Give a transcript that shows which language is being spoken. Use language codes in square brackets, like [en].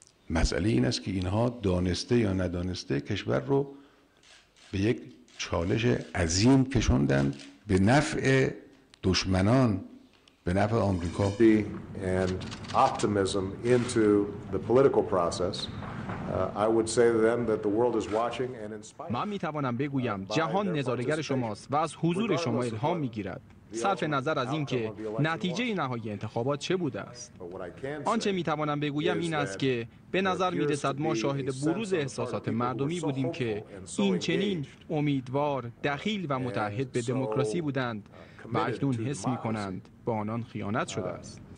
[fa] مسئله این است که اینها دانسته یا ندانسته کشور رو به یک چالش عظیم کشوندن به نفع دشمنان، به نفع آمریکا. [en] And optimism into the political process. I would say to them that the world is watching and inspired. [fa] من می توانم بگویم جهان نظاره‌گر شماست و از حضور شما الهام می گیرد، صرف نظر از اینکه نتیجه نهایی انتخابات چه بوده است. آنچه می توانم بگویم این است که به نظر می رسد ما شاهد بروز احساسات مردمی بودیم که این چنین امیدوار، دخیل و متعهد به دموکراسی بودند و اکنون حس می کنند با آنان خیانت شده است.